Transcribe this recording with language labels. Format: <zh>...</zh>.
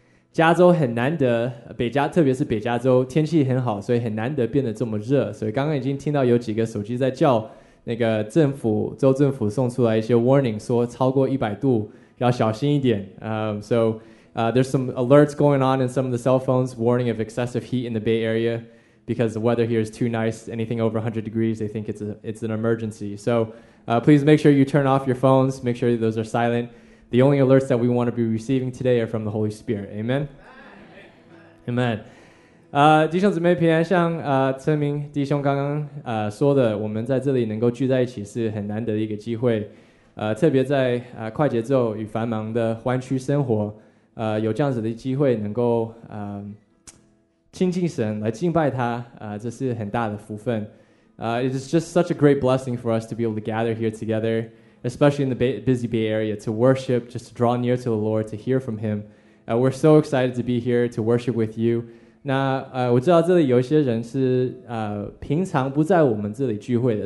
<zh>加州很难得，北加，特别是北加州天气很好，所以很难得变得这么热。所以刚刚已经听到有几个手机在叫那个政府，州政府送出来一些 warning， 说超过100度要小心一点。</zh> <en>There's some alerts going on in some of the cell phones warning of excessive heat in the Bay Area because the weather here is too nice. Anything over 100 degrees, they think it's an emergency. So please make sure you turn off your phones. Make sure those are silent. The only alerts that we want to be receiving today are from the Holy Spirit. Amen? Amen. Amen.</en> <zh>弟兄姊妹平安，像陈明弟兄刚刚说的，我们在这里能够聚在一起是很难得的一个机会。特别在快节奏与繁忙的湾区生活，有这样子的机会能够亲近神来敬拜他，这是很大的福分。</zh> <en>It is just such a great blessing for us to be able to gather here together, especially in the busy Bay Area, to worship, just to draw near to the Lord, to hear from Him. We're so excited to be here to worship with you.</en> <zh>那我知道这里有一些人是平常不在我们这里聚会的。</zh>